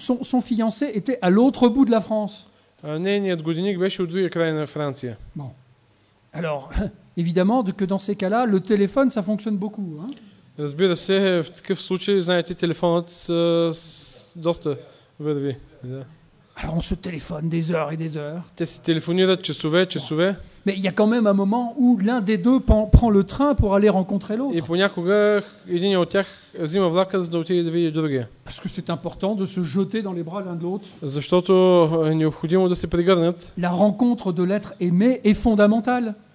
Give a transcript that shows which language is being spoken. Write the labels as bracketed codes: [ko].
[fr] Son fiancé était à l'autre bout de la France. [bg] Нейният годеник беше от другия край на Франция. [fr] Bon. Alors, évidemment, que dans ces cas-là, le téléphone, ça fonctionne beaucoup, hein? [bg] Разбира се, в такъв случай, знаете, телефонът доста върви. Да. [fr] Alors on se téléphone des heures et des heures. [bg] Те се телефонират часове, часове. [fr] Bon. Mais il y a quand même un moment où l'un des deux prend le train pour aller rencontrer l'autre. [bg] Et понякога един от тях взима влака, за да отиде да види другия. [fr] Parce que c'est important de se jeter dans les bras l'un de l'autre. [bg] Защото е необходимо да се прегърнат. [fr] La rencontre de l'être aimé est fondamentale.